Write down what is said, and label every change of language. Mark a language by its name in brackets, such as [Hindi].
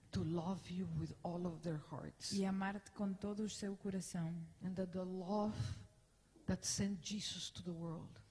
[English] To love you with all of their hearts. [Portuguese] E amar-te com todo o seu coração. [English] And that the love that sent Jesus to the world.